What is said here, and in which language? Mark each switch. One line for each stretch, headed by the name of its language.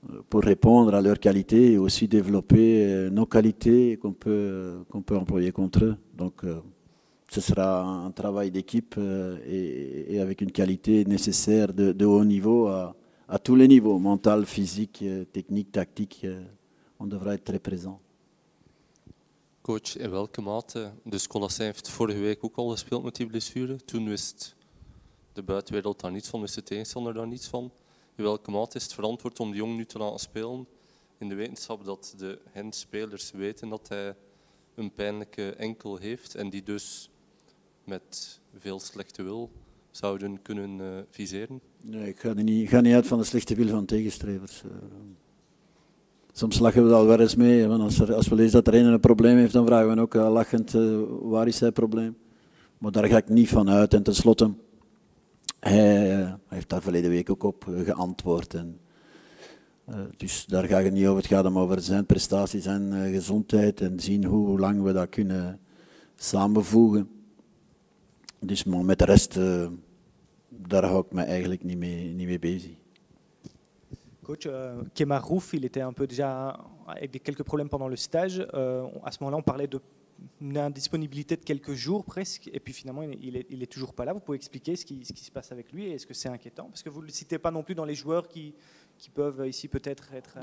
French: Pour répondre à leurs qualités et aussi développer nos qualités qu'on peut employer contre eux. Donc, ce sera un travail d'équipe et avec une qualité nécessaire de haut niveau à tous les niveaux, mental, physique, technique, tactique. On devra être très présent.
Dutch: Coach, in welke mate? Dus Colassin heeft vorige week ook al gespeeld met die blessure. Toen wist de buitenwereld daar niets van, wist de tegenstander daar niets van. In welke mate is het verantwoord om de jong nu te laten spelen in de wetenschap dat de hen-spelers weten dat hij een pijnlijke enkel heeft en die dus met veel slechte wil zouden kunnen viseren? Nee, ik ga niet uit van de slechte wil van tegenstrevers. Soms lachen we er al wel eens mee. Want als we lezen dat er een probleem heeft, dan vragen we ook lachend waar is zijn probleem. Maar daar ga ik niet van uit en tenslotte... Hij heeft daar verleden week ook op geantwoord. Dus daar ga ik niet over. Het gaat hem over zijn prestaties en gezondheid en zien hoe lang we dat kunnen samenvoegen. Dus maar met de rest, daar hou ik me eigenlijk niet mee bezig. coach.
French: Kemar Roof, il était un peu déjà avec quelques problèmes pendant le stage. À ce moment-là, on parlait d'une indisponibilité de quelques jours presque. Et puis finalement, il est toujours pas là. Vous pouvez expliquer ce qui se passe avec lui et est-ce que c'est inquiétant? Parce que vous ne le citez pas non plus dans les joueurs qui peuvent ici peut-être être...